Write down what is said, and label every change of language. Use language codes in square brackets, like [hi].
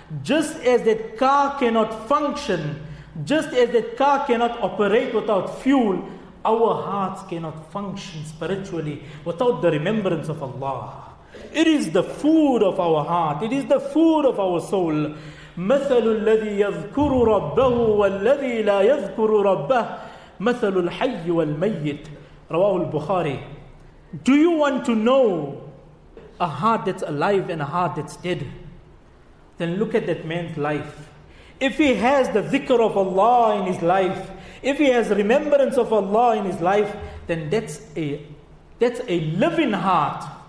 [en] Just as that car cannot function, just as that car cannot operate without fuel, our hearts cannot function spiritually without the remembrance of Allah. It is the food of our heart. It is the food of our soul. [ar] مثل الذي يذكر ربه والذي لا يذكر ربه مثل الحي والميت. رواه البخاري. [en] Do you want to know a heart that's alive and a heart that's dead? Then look at that man's life. If he has the dhikr of Allah in his life, if he has remembrance of Allah in his life, then that's a living heart.